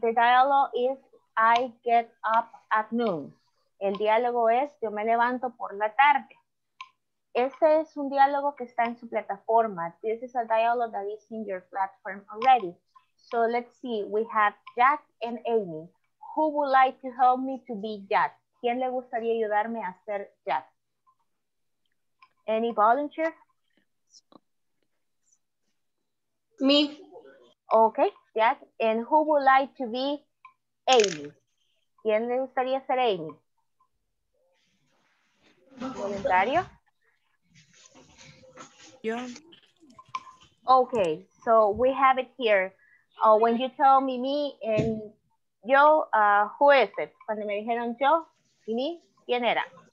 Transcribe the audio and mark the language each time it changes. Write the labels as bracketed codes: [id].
[en] The dialogue is I get up at noon. [es] El diálogo es yo me levanto por la tarde. Ese es un diálogo que está en su plataforma. [en] This is a dialogue that is in your platform already. So let's see. We have Jack and Amy. Who would like to help me to be Jack? [es] ¿Quién le gustaría ayudarme a ser Jack? [en] Any volunteer? Me. Okay. Jack, and who would like to be Amy? [es] ¿Quién le gustaría ser Amy? ¿Comentario? Yo. [en] Okay, so we have it here. Oh, when you tell me me and yo, who is it? [es] Cuando me dijeron yo y me, ¿quién era?